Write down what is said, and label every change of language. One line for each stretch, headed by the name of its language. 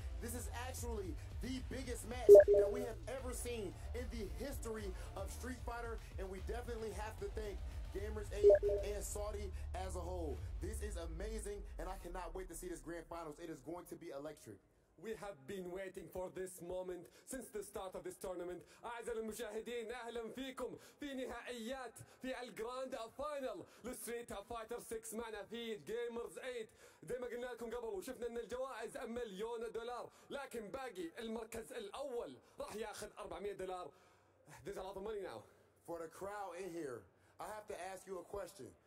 English: This is actually the biggest match that we have ever seen in the history of Street Fighter, and we definitely have to thank GAMERS8 and Saudi as a whole. This is amazing, and I cannot wait to see this grand finals. It is going to be electric. We have been waiting for this moment since the start of this tournament.
Arabic: أعزائي المشاهدين أهلا فيكم في نهائيات في الجراند فاينل لستريت فايتر 6 معنا في جيمرز 8. زي ما قلنا لكم قبل وشفنا ان الجوائز مليون دولار لكن باقي المركز الاول راح ياخذ 400 دولار.
English: There's a lot of money now. For the crowd in here, I have to ask you a question.